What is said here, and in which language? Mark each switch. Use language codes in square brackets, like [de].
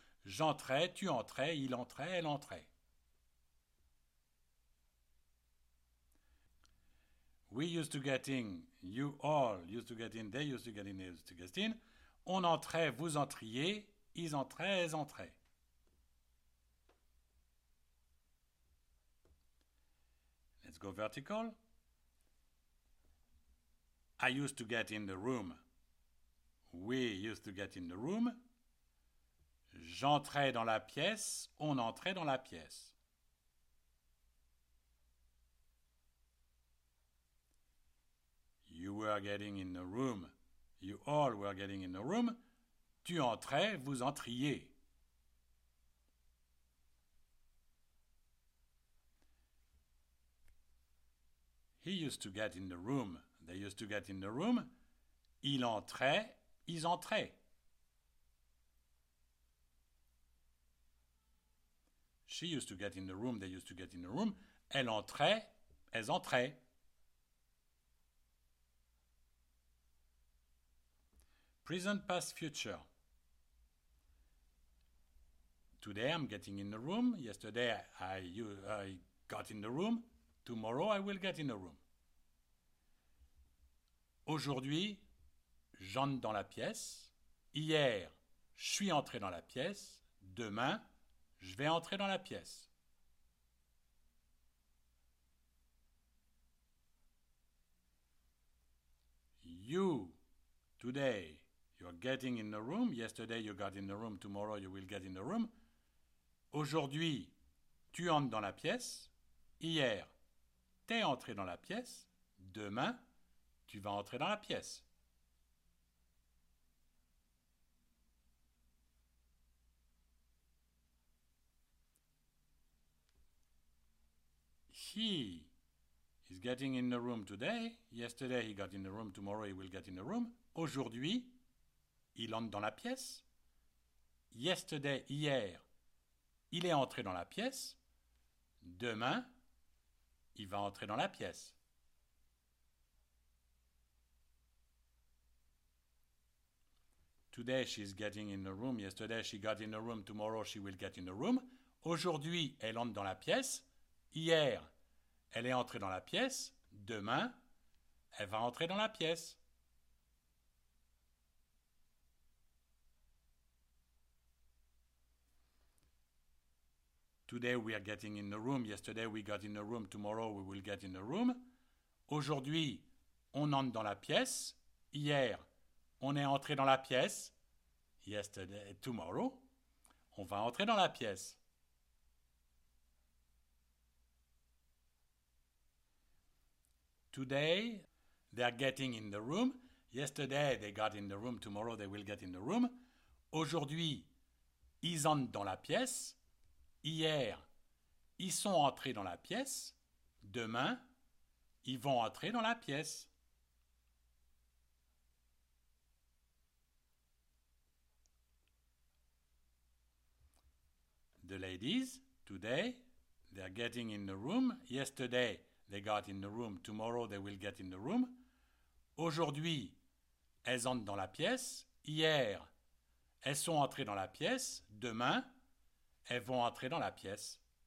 [fr] J'entrais, tu entrais, il entrait, elle entrait. [en] We used to get in, you all used to get in, they used to get in, they used to get in. [fr] On entrait, vous entriez, ils entraient, elles entraient. [en] Let's go vertical. I used to get in the room. We used to get in the room. [fr] J'entrais dans la pièce, on entrait dans la pièce. [en] You were getting in the room. You all were getting in the room. [fr] Tu entrais, vous entriez. [en] He used to get in the room. They used to get in the room. [fr] Il entrait, ils entraient. [en] She used to get in the room. They used to get in the room. [fr] Elle entrait, elles entraient. [en] Present, past, future. Today I'm getting in the room. Yesterday I got in the room. Tomorrow I will get in the room. [fr] Aujourd'hui, j'entre dans la pièce. Hier, je suis entré dans la pièce. Demain, je vais entrer dans la pièce. [en] You, today. You're getting in the room. Yesterday you got in the room. Tomorrow you will get in the room. [fr] Aujourd'hui, tu entres dans la pièce. Hier, t'es entré dans la pièce. Demain, tu vas entrer dans la pièce. [en] He is getting in the room today. Yesterday he got in the room. Tomorrow he will get in the room. [fr] Aujourd'hui, il entre dans la pièce. [en] Yesterday, [fr] hier, il est entré dans la pièce. Demain, il va entrer dans la pièce. [en] Today, she's getting in the room. Yesterday, she got in the room. Tomorrow, she will get in the room. [fr] Aujourd'hui, elle entre dans la pièce. Hier, elle est entrée dans la pièce. Demain, elle va entrer dans la pièce. [en] Today we are getting in the room. Yesterday we got in the room. Tomorrow we will get in the room. [fr] Aujourd'hui, on entre dans la pièce. Hier, on est entré dans la pièce. [en] Yesterday, tomorrow, [fr] on va entrer dans la pièce. [en] Today they are getting in the room. Yesterday they got in the room. Tomorrow they will get in the room. [fr] Aujourd'hui, ils entrent dans la pièce. Hier, ils sont entrés dans la pièce. Demain, ils vont entrer dans la pièce. [en] The ladies, today, they are getting in the room. Yesterday, they got in the room. Tomorrow, they will get in the room. [fr] Aujourd'hui, elles entrent dans la pièce. Hier, elles sont entrées dans la pièce. Demain, elles vont entrer dans la pièce.